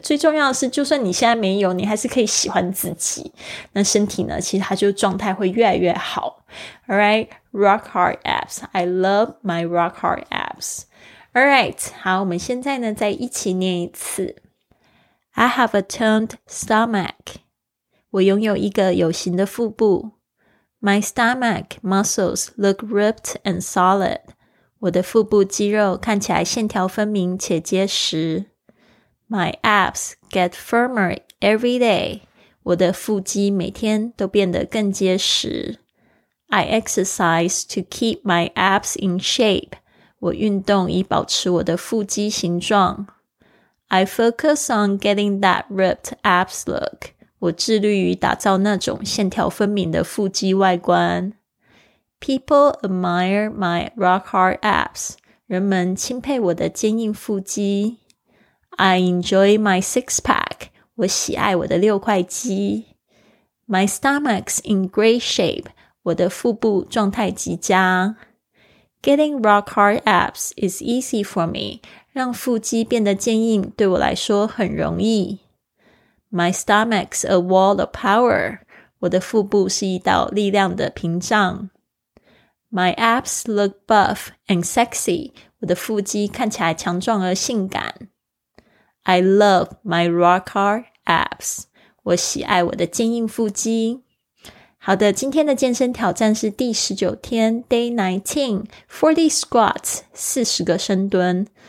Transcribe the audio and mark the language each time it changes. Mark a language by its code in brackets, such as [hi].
[zh] 最重要的是就算你现在没有，你还是可以喜欢自己，那身体呢其实它就状态会越来越好。 [en] Alright, rock hard abs, I love my rock hard abs. [zh] Alright, 好，我们现在呢再一起念一次。 [en] I have a toned stomach, [zh] 我拥有一个有型的腹部。 [en] My stomach muscles look ripped and solid. [zh] 我的腹部肌肉看起来线条分明且结实。 [en] My abs get firmer every day. [zh] 我的腹肌每天都变得更结实。 [en] I exercise to keep my abs in shape. [zh] 我运动以保持我的腹肌形状。 [en] I focus on getting that ripped abs look. [zh] 我致力于打造那种线条分明的腹肌外观。 [en] People admire my rock hard abs. [zh] 人们钦佩我的坚硬腹肌。 [en] I enjoy my six pack. [zh] 我喜爱我的六块肌。 [en] My stomach's in great shape. [zh] 我的腹部状态极佳。 [en] Getting rock hard abs is easy for me. [zh] 让腹肌变得坚硬对我来说很容易。 [en] My stomach's a wall of power. [zh] 我的腹部是一道力量的屏障。 [en] My abs look buff and sexy. [zh] 我的腹肌看起来强壮而性感。 [en] I love my rock hard abs. [zh] 我喜爱我的坚硬腹肌。好的，今天的健身挑战是第19天 , [en] Day 19, 40 squats, [zh] 40个深蹲。